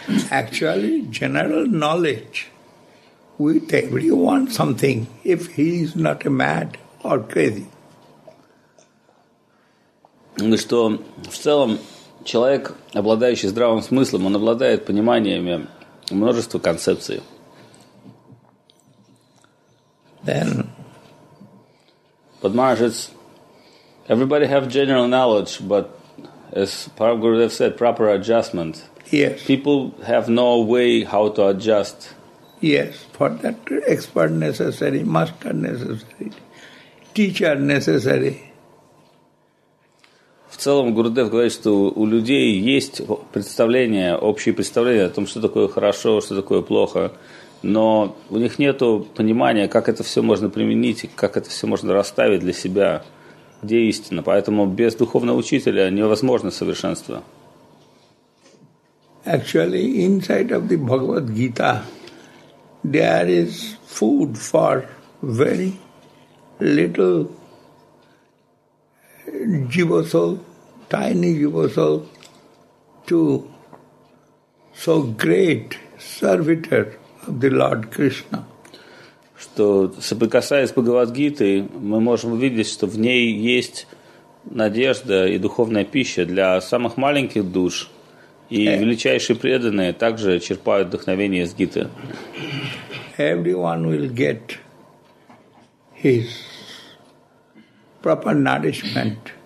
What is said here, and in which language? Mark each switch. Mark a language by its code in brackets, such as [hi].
[en] Actually, general knowledge with everyone something if he is not mad or crazy. [ru] Ну что, в целом, человек, обладающий здравым смыслом, он обладает пониманиями множества концепций. [en] Then, but Maharaj, everybody have general knowledge, but as Parv Gurudev said, proper adjustment. Yes. People have no way how to adjust. Yes, for that expert necessary, master necessary, teacher necessary. [ru] В целом Гурудев говорит, что у людей есть представление, общее представление о том, что такое хорошо, что такое плохо, но у них нет понимания, как это все можно применить, как это все можно расставить для себя, где истина. Поэтому без духовного учителя невозможно совершенство. [en] Actually, inside of the Bhagavad Gita, there is food for very little jiva soul, tiny jiva soul, to so great servitor of the Lord Krishna. [ru] Что соприкасаясь с Бхагавад Гитой, мы можем увидеть, что в ней есть надежда и духовная пища для самых маленьких душ. И величайшие преданные также черпают вдохновение из Гиты. [en] Everyone will get his proper nourishment.